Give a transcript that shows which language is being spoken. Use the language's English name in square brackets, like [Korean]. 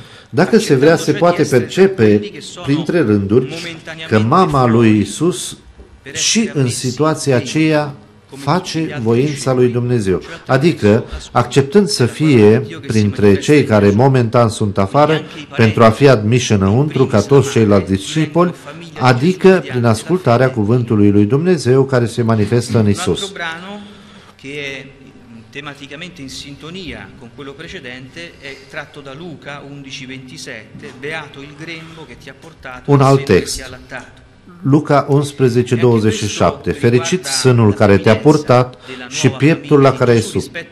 [Romanian] Dacă se vrea, se poate percepe printre rânduri că mama lui Iisus și în situația aceea face voința lui Dumnezeu. Adică, acceptând să fie printre cei care momentan sunt afară pentru a fi admiși înăuntru ca toți ceilalți discipoli, adică prin ascultarea cuvântului lui Dumnezeu care se manifestă în Iisus. [Italian] Tematicamente in sintonia con quello precedente è tratto da Luca 11:27 beato il grembo che ti ha portato [Romanian] un alt text Luca 11:27 fericit sânul care te-a purtat și pieptul la care ai sub.